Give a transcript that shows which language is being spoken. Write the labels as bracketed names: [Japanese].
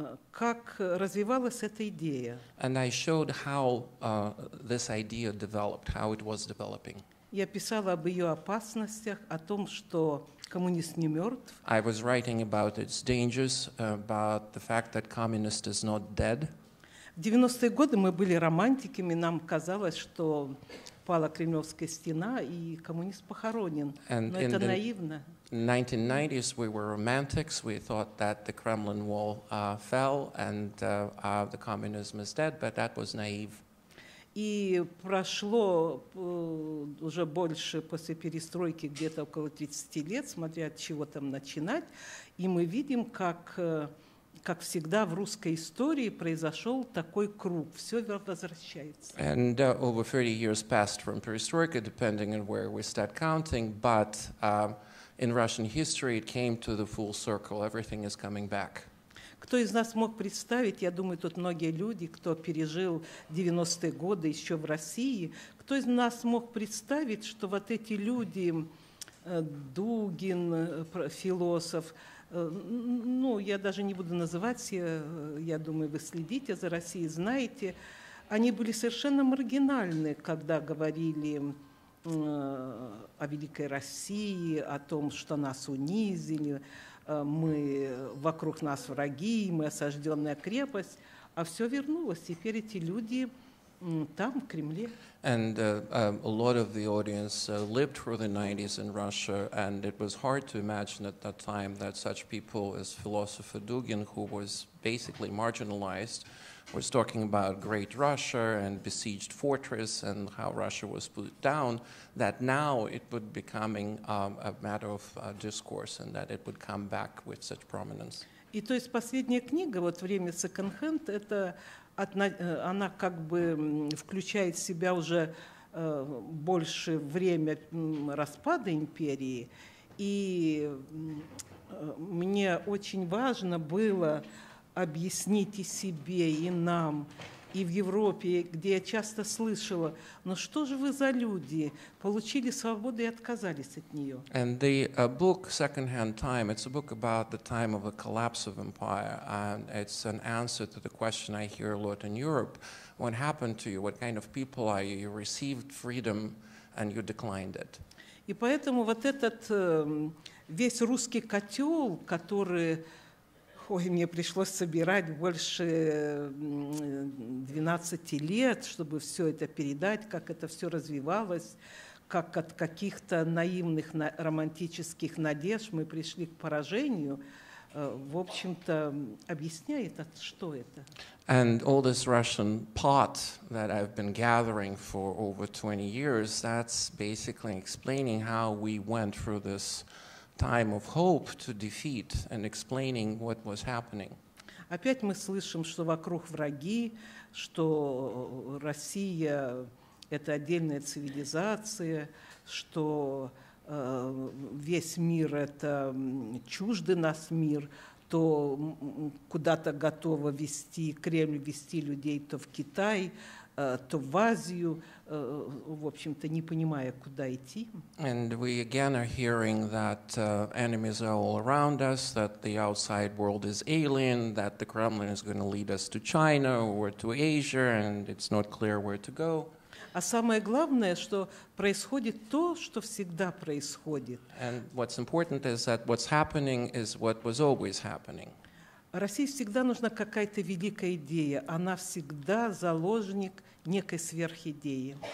[Russian] как развивалась эта идея. [English] And I showed how this idea developed, how it was developing. [Russian] Я писала об ее опасностях, о том, что коммунист не мертв. [English] I was writing about its dangers, about the fact that communist is not dead. [Russian] В 90-е годы мы были романтиками, нам казалось, что пала Кремлевская стена и коммунист похоронен. [English] And [Russian] Но это наивно. [English] In the 1990s, we were romantics. We thought that the Kremlin wall fell and the communism is dead, but that was naive. [Russian] И прошло уже больше после перестройки где-то около 30 лет, смотря от чего там начинать, и мы видим, как всегда в русской истории произошел такой круг. Все возвращается. [English] And over 30 years passed from perestroika, depending on where we start counting, but... In Russian history, it came to the full circle. Everything is coming back. [Russian] Кто из нас мог представить, я думаю, тут многие люди, кто пережил 90-е годы еще в России, кто из нас мог представить, что вот эти люди, Дугин, философ, ну, я даже не буду называть, я думаю, вы следите за Россией, знаете, они были совершенно маргинальны, когда говорили о великой России, о том, что нас унизили, мы вокруг нас враги, мы осажденная крепость, а все вернулось. Теперь эти люди там, в Кремле. [English] And a lot of the audience lived through the 90s in Russia, and it was hard to imagine at that time that such people as philosopher Dugin, who was basically marginalized, was talking about great Russia and besieged fortress and how Russia was put down, that now it would be becoming a matter of discourse and that it would come back with such prominence. [Russian] И то есть последняя книга, вот «Время секонд-хенд», это она как бы включает в себя уже больше время распада империи. И мне очень важно было объяснить и себе, и нам, и в Европе, где я часто слышала, ну что же вы за люди, получили свободу и отказались от нее. [English] And the book Secondhand Time, it's a book about the time of a collapse of empire, and it's an answer to the question I hear a lot in Europe. What happened to you? What kind of people are you? You received freedom, and you declined it. [Russian] И поэтому вот этот весь русский котел, который... Ой, мне пришлось собирать больше 12 лет, чтобы все это передать, как это все развивалось, как от каких-то наивных романтических надежд мы пришли к поражению. В общем-то, объясняет, что это. And all this Russian pot that I've been gathering for over 20 years, that's basically explaining how we went through this time of hope to defeat and explaining what was happening. Опять мы слышим, что вокруг враги, что Россия это отдельная цивилизация, что весь мир это чужды нас мир, то куда-то готово вести Кремль, вести людей то в Китай, то в Азию, в общем-то, не понимая, куда идти. [English] And we again are hearing that enemies are all around us, that the outside world is alien, that the Kremlin is going to lead us to China or to Asia, and it's not clear where to go. [Russian] А самое главное, что происходит то, что всегда происходит. [English] And what's important is that what's happening is what was always happening. [Russian] России всегда нужна какая-то великая идея. Она всегда заложник некой сверхидеи.